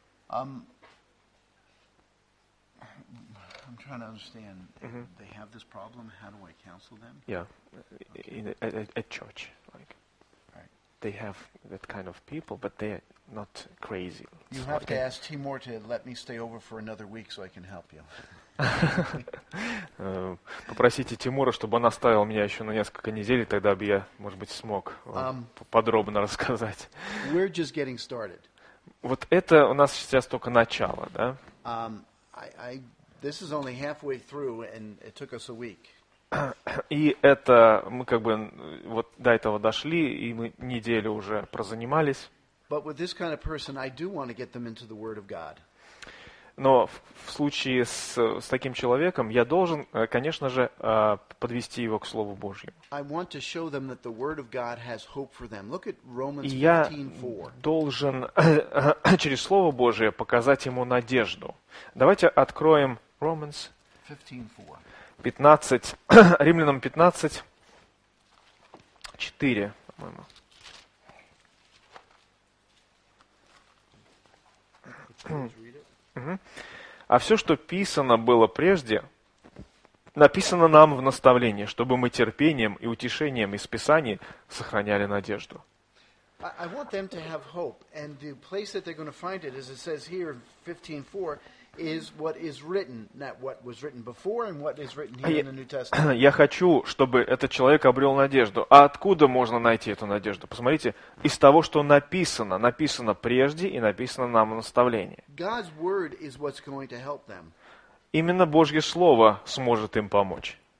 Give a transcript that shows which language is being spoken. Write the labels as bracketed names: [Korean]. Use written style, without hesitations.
[English] I'm trying to understand. Mm-hmm. They have this problem. How do I counsel them? Yeah, okay. In at church, like right. They have that kind of people, but they're not crazy. You have to ask Timur to let me stay over for another week so I can help you. [Russian] Попросите Тимура, чтобы он оставил меня еще на несколько недель, тогда бы я, может быть, смог подробно рассказать. [English] We're just getting started. [Russian] Вот это у нас сейчас только начало, да? [English] This is only halfway through, and it took us a week. [Russian] И это мы как бы вот до этого дошли, и мы неделю уже прозанимались. [English] But with this kind of person, I do want to get them into the Word of God. [Russian] Но в случае с таким человеком я должен, конечно же, подвести его к Слову Божьему. [English] I want to show them that the Word of God has hope for them. Look at Romans 15:4. [Russian] Я должен через Слово Божие показать ему надежду. Давайте откроем Romans 15:4. Римлянам 15:4, по-моему. А все, что писано было прежде, написано нам в наставлении, чтобы мы терпением и утешением из Писаний сохраняли надежду. [English] I want them to have hope, and the place that they're going to find it, as it says here in 15:4, is what is written, not what was written before, and what is written here in the New Testament. [Russian] Я хочу, чтобы этот человек обрел надежду. А откуда можно найти эту надежду? Посмотрите, из того, что написано, написано прежде и написано нам в наставлении. [English] God's word is what's going to help them. [Russian] Именно Божье слово сможет им помочь.